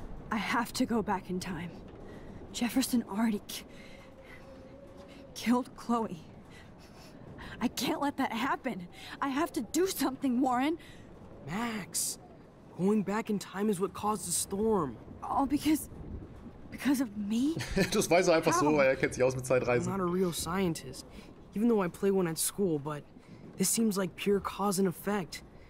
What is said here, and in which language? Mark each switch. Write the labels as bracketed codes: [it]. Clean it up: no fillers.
[en] I have to go back in time. Jefferson already killed Chloe. I can't let that happen. I have to do something, Warren. Max, going back in time is what caused the storm. All because of me? [de] Das weiß er einfach so, weil er kennt sich aus mit Zeitreisen. [en] I'm not a real scientist, even though I play one at school, but this seems like pure cause and effect.